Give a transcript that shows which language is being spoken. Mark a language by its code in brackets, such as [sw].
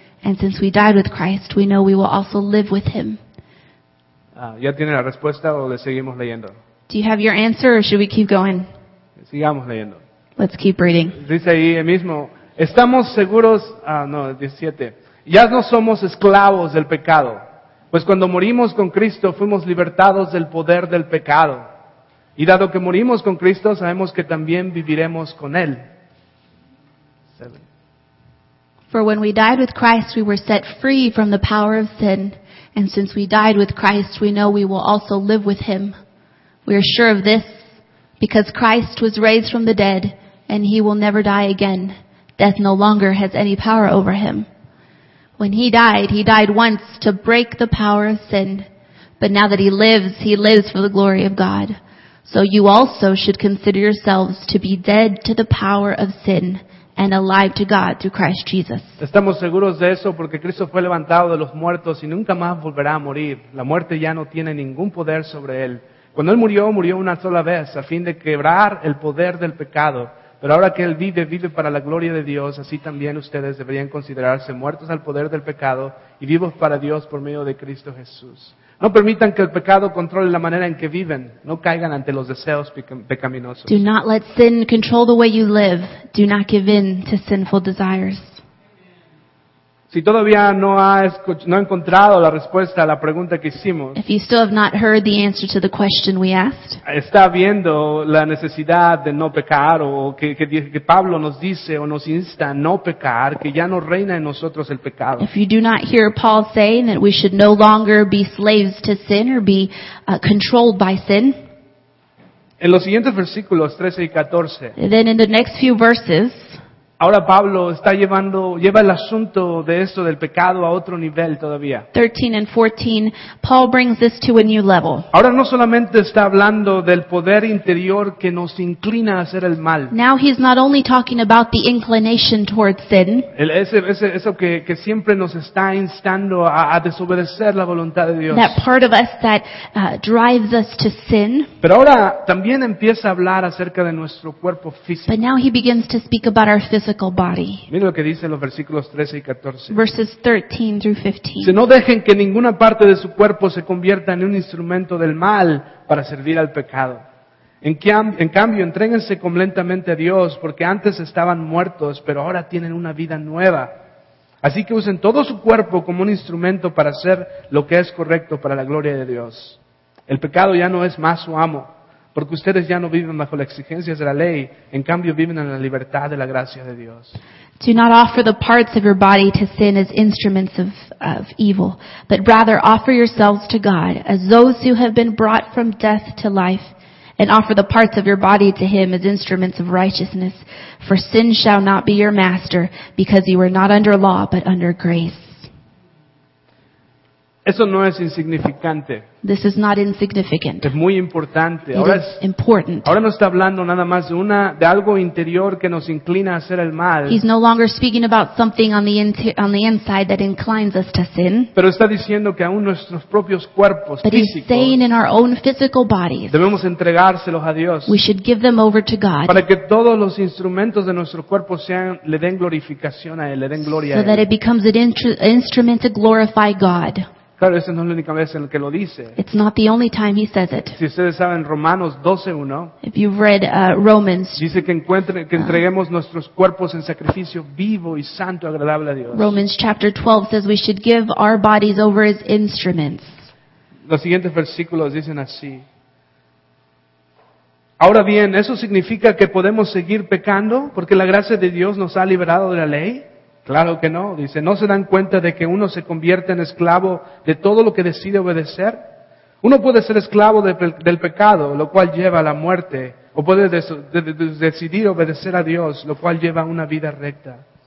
[en] And since we died with Christ, we know we will also live with Him. [es] ¿Ya tiene la respuesta o le seguimos leyendo? [en] Do you have your answer, or should we keep going? [es] Sigamos leyendo. [en] Let's keep reading. [es] Dice ahí mismo, estamos seguros, 17. Ya no somos esclavos del pecado, pues cuando morimos con Cristo fuimos libertados del poder del pecado. Y dado que morimos con Cristo, sabemos que también viviremos con Él. [en] For when we died with Christ, we were set free from the power of sin. And since we died with Christ, we know we will also live with Him. We are sure of this because Christ was raised from the dead and He will never die again. Death no longer has any power over Him. When He died once to break the power of sin. But now that He lives for the glory of God. So you also should consider yourselves to be dead to the power of sin and alive to God through Christ Jesus. [es] Estamos seguros de eso porque Cristo fue levantado de los muertos y nunca más volverá a morir. La muerte ya no tiene ningún poder sobre Él. Cuando Él murió, murió una sola vez, a fin de quebrar el poder del pecado. Pero ahora que Él vive, vive para la gloria de Dios, así también ustedes deberían considerarse muertos al poder del pecado y vivos para Dios por medio de Cristo Jesús. No permitan que el pecado controle la manera en que viven. No caigan ante los deseos pecaminosos. [en] Do not let sin control the way you live. Do not give in to sinful desires. [es] Si todavía no ha encontrado la respuesta a la pregunta que hicimos, [en] if you still have not heard the answer to the question we asked, [es] está viendo la necesidad de no pecar, o que Pablo nos dice o nos insta a no pecar, que ya no reina en nosotros el pecado. [en] If you do not hear Paul saying that we should no longer be slaves to sin or be controlled by sin, [es] en los siguientes versículos 13 y 14, [en] then in the next few verses, [es] Ahora Pablo está llevando, lleva el asunto de esto del pecado a otro nivel todavía. [en] 13 and 14, Paul brings this to a new level. [es] Ahora no solamente está hablando del poder interior que nos inclina a hacer el mal. [en] Now he's not only talking about the inclination towards sin. [es] Eso que siempre nos está instando a desobedecer la voluntad de Dios. [en] That part of us that drives us to sin. [es] Pero ahora también empieza a hablar acerca de nuestro cuerpo físico. [en] But now he begins to speak about our physical body. [es] Mira lo que dice en los versículos 13 y 14. [en] Verses 13 through 15. [es] Si no dejen que ninguna parte de su cuerpo se convierta en un instrumento del mal para servir al pecado. En cambio, entréguense completamente a Dios, porque antes estaban muertos, pero ahora tienen una vida nueva. Así que usen todo su cuerpo como un instrumento para hacer lo que es correcto para la gloria de Dios. El pecado ya no es más su amo. Porque ustedes ya no viven bajo las exigencias de la ley, en cambio viven en la libertad de la gracia de Dios. [en] Do not offer the parts of your body to sin as instruments of evil, but rather offer yourselves to God as those who have been brought from death to life, and offer the parts of your body to Him as instruments of righteousness. For sin shall not be your master, because you are not under law, but under grace. [es] Eso no es insignificante. [en] This is not insignificant. [es] Es muy importante. [en] It is important. [es] Ahora no está hablando nada más de algo interior que nos inclina a hacer el mal. [en] He's no longer speaking about something on the inside that inclines us to sin. [es] Pero está diciendo que aún nuestros propios cuerpos [en] but [es] físicos. [en] But he's saying in our own physical bodies. [es] Debemos entregárselos a Dios. [en] We should give them over to God. [es] Para que todos los instrumentos de nuestro cuerpo sean le den glorificación a él, le den gloria [en] so [es] a él. [en] So that it becomes an instrument to glorify God. [es] Claro, esa no es la única vez en la que lo dice. [en] It's not the only time he says it. [es] Si ustedes saben Romanos 12:1, [en] if you've read Romans, [es] dice que entreguemos nuestros cuerpos en sacrificio vivo y santo agradable a Dios. [en] Romans chapter 12 says we should give our bodies over as instruments. [es] Los siguientes versículos dicen así. Ahora bien, ¿eso significa que podemos seguir pecando porque la gracia de Dios nos ha liberado de la ley? Claro que no, dice, ¿no se dan cuenta de que uno se convierte en esclavo de todo lo que decide obedecer? Uno puede ser esclavo del pecado, lo cual lleva a la muerte, o puede decidir obedecer a Dios, lo cual lleva a una vida recta.